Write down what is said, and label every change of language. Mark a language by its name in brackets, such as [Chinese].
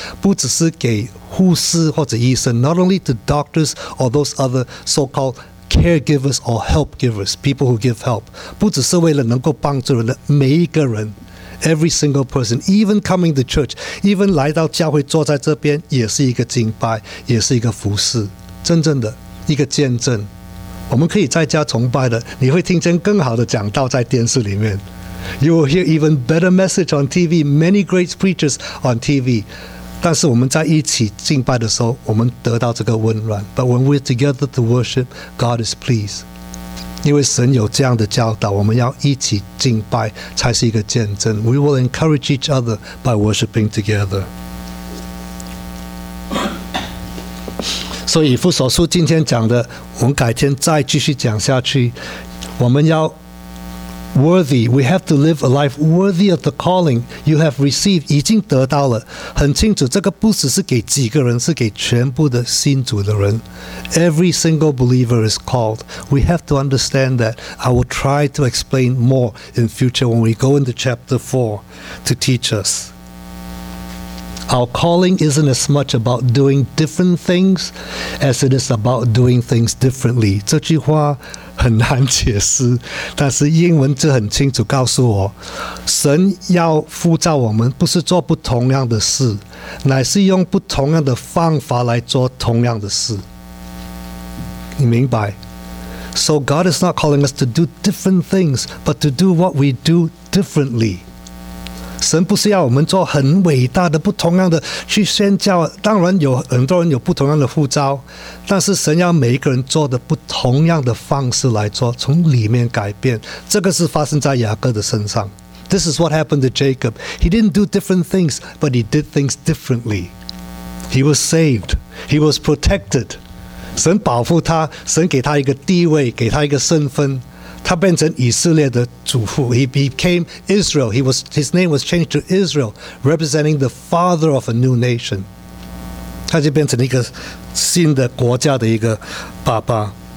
[Chinese] 不只是给护士或者医生 [English] not only to doctors or those other so-called caregivers or help givers people who give help [Chinese] 不只是为了能够帮助人的每一个人 [English] Every single person, even coming to church, even [Chinese] 来到教会坐在这边，也是一个敬拜，也是一个服事，真正的一个见证。我们可以在家崇拜的，你会听见更好的讲道在电视里面。 [English] You will hear even better message on TV, many great preachers on TV. [Chinese] 但是我们在一起敬拜的时候，我们得到这个温暖。 [English] But when we're together to worship, God is pleased. [Chinese] 因为神有这样的教导我们要一起敬拜才是一个见证 [English] We will encourage each other by worshiping together [Chinese] 所以以弗所书今天讲的我们改天再继续讲下去我们要 [English] worthy We have to live a life worthy of the calling you have received [Chinese] 已经得到了很清楚这个不只是给几个人是给全部的信主的人 [English] Every single believer is called. We have to understand that. I will try to explain more in future when we go into chapter 4 to teach us. Our calling isn't as much about doing different things as it is about doing things differently. [Chinese] 这句话很难解释，但是英文就很清楚告诉我，神要呼召我们不是做不同样的事，乃是用不同样的方法来做同样的事。你明白? [English] So God is not calling us to do different things, but to do what we do differently. [Chinese] 神不是要我们做很伟大的、不同样的去宣教。当然有很多人有不同样的呼召，但是神要每一个人做的不同样的方式来做，从里面改变。这个是发生在雅各的身上。 [English] This is what happened to Jacob. He didn't do different things, but he did things differently. He was saved. He was protected. [Chinese] 神保护他，神给他一个地位，给他一个身份，他变成以色列的祖父。 [English] He became Israel. He was his name was changed to Israel, representing the father of a new nation. [Chinese] 他就变成一个新的国家的一个爸爸。